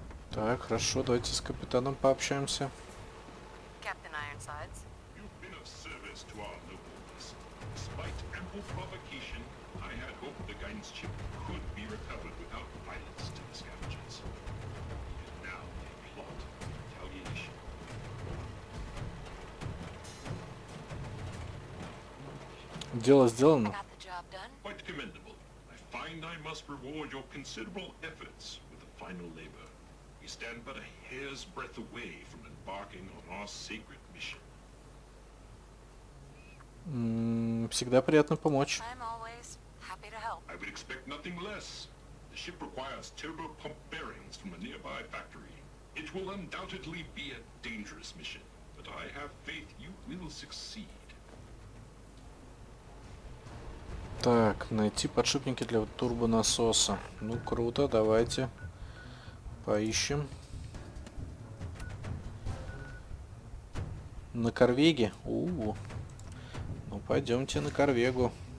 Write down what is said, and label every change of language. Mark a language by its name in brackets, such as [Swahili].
[Russian] Так, хорошо, давайте с капитаном пообщаемся. [English] Captain Ironsides. You've been of service to our nobles. Despite ample provocation, I had hoped the guidance chip could be recovered without violence to the scavengers. And now they plot retaliation. [Russian] Дело сделано. [English] Got the job done. Quite commendable. I find I must reward your considerable efforts with the final labor. We stand but a hair's breadth away from embarking on our sacred mission. [Russian] Всегда приятно помочь. [English] I'm always happy to help. I would expect nothing less. The ship requires turbo pump bearings from a nearby factory. It will undoubtedly be a dangerous mission, but I have faith you will succeed. [Russian] Так, найти подшипники для турбонасоса. Ну круто, давайте. Поищем. На Корвеге? Ну пойдемте на Корвегу.